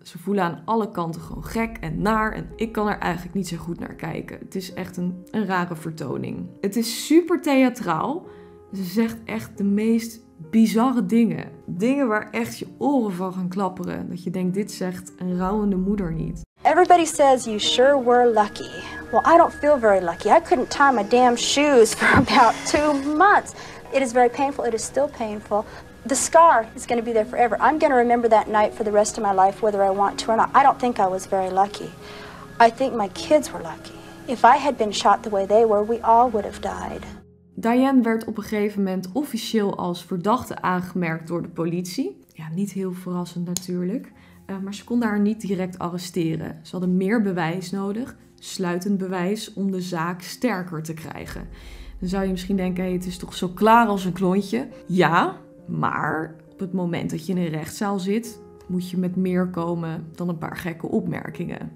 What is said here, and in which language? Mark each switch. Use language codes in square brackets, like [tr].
[nl] Ze voelen aan alle kanten gewoon gek en naar. En ik kan er eigenlijk niet zo goed naar kijken. Het is echt een rare vertoning. Het is super theatraal. Ze zegt echt de meest bizarre dingen. Dingen waar echt je oren van gaan klapperen. Dat je denkt, dit zegt een rouwende moeder niet. [en] Everybody says you sure were lucky. Well, I don't feel very lucky. I couldn't tie my damn shoes for about 2 months. It is very painful. It is still painful. The scar is going to be there forever. I'm going to remember that night for the rest of my life, whether I want to or not. I don't think I was very lucky. I think my kids were lucky. If I had been shot the way they were, we all would have died. [nl] Diane werd op een gegeven moment officieel als verdachte aangemerkt door de politie. Ja, niet heel verrassend natuurlijk. Maar ze konden haar niet direct arresteren. Ze hadden meer bewijs nodig, sluitend bewijs, om de zaak sterker te krijgen. Dan zou je misschien denken, hey, het is toch zo klaar als een klontje? Ja, maar op het moment dat je in een rechtszaal zit, moet je met meer komen dan een paar gekke opmerkingen.